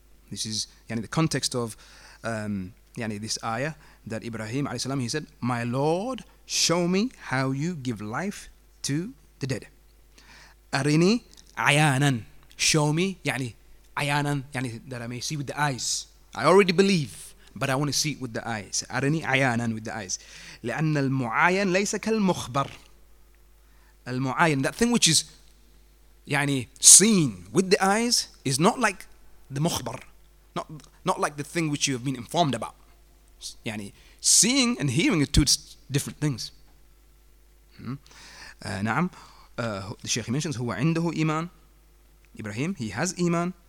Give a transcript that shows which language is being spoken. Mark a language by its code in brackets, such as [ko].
[en] This is yani the context of yani this ayah that Ibrahim alayhi salam, he said, my Lord, show me how you give life to the dead. Arini ayanan, show me yani ayanan, yani that I may see with the eyes. I already believe, but I want to see it with the eyes. Arini ayanan, with the eyes. [ar] لأن المعاين ليس كالمخبر. [en] المعاين, that thing which is yani seen with the eyes, is not like the مخبر, not like the thing which you have been informed about. Yani seeing and hearing are two different things. نعم. The Sheikh mentions, [ar] هو عنده إيمان. [en] Ibrahim, he has iman.